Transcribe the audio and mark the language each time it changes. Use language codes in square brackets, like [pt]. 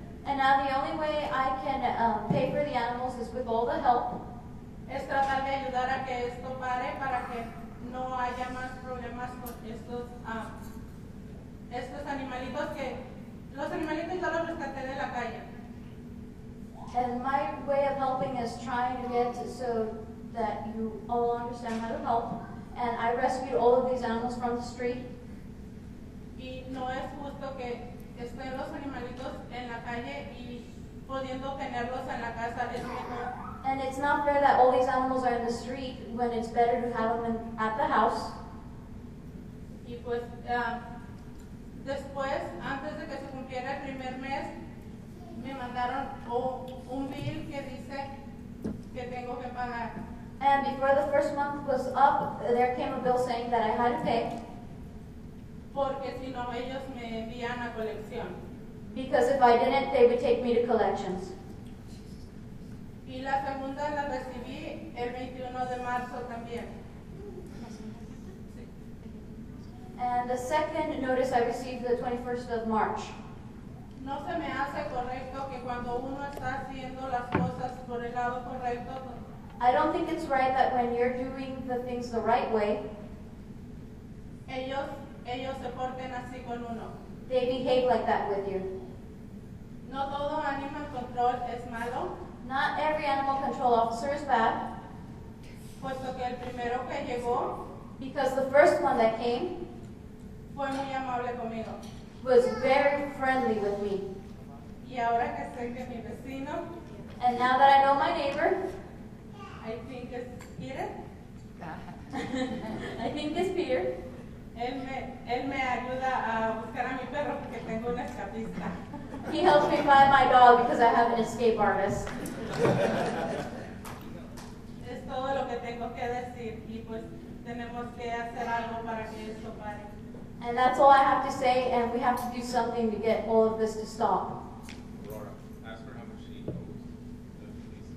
[en] And now the only way I can pay for the animals is with all the help. [es] Es tratar de ayudar a que esto pare para que no haya más problemas con estos estos animalitos que los animalitos yo los rescaté de la calle. [en] And my way of helping is trying to get so that you all understand how to help. And I rescued all of these animals from the street. [es] Y no es justo que estén los animalitos en la calle y pudiendo tenerlos en la casa es mejor. [en] And it's not fair that all these animals are in the street when it's better to have them at the house. [es] Y pues, después, antes de que se cumpliera el primer mes, me mandaron un bill que dice que tengo que pagar. [en] And before the first month was up, there came a bill saying that I had to pay. [es] Porque si no, ellos me envían a colección. [en] Because if I didn't, they would take me to collections. [es] Y la segunda la recibí el 21 de marzo también. [en] And the second notice I received the 21st of March. [es] No se me hace correcto que cuando uno está haciendo las cosas por el lado correcto. [en] I don't think it's right that when you're doing the things the right way, [es] ellos se porten así con uno. [en] They behave like that with you. [es] No todo animal control es malo. [en] Not every animal control officer is bad. [es] Puesto que el primero que llegó, [en] because the first one that came [es] fue muy amable conmigo. [en] Was very friendly with me. [es] Y ahora que sé que mi vecino, [en] and now that I know my neighbor, I think it's Peter. I think it's Peter. [es] Él me ayuda a buscar a mi perro porque tengo una escapista. [en] He helps me find my dog because I have an escape artist. [es] Es todo lo que tengo que decir y pues tenemos que hacer algo para que esto pare. [en] And that's all I have to say, and we have to do something to get all of this to stop. Aurora, ask her how much she owes the police.